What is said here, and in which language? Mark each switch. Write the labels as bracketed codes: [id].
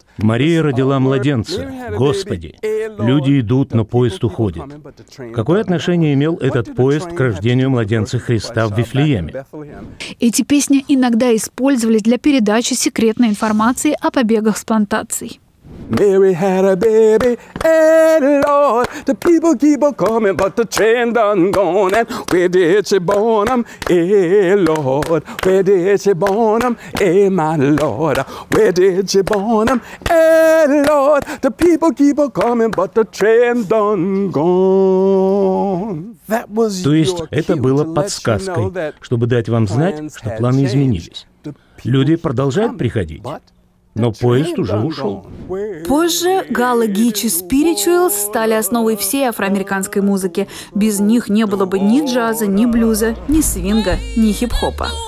[ru] «Мария родила младенца. Господи! Люди идут, но поезд уходит». Какое отношение имел этот поезд к рождению младенца Христа в Вифлееме? Эти песни иногда использовались для передачи секретной информации о побегах с плантаций. [en] Mary had a baby, and Lord, the people keep on coming, but the train done gone, and where did she born him? Lord, where did she born him? My Lord, where did she born him? Lord, the people keep on coming, but the train done gone. [ru] То есть это было подсказкой, чтобы дать вам знать, что планы изменились. Люди продолжают приходить. Но поезд уже ушел. Позже Галла Гич и Спиричуэлс стали основой всей афроамериканской музыки. Без них не было бы ни джаза, ни блюза, ни свинга, ни хип-хопа.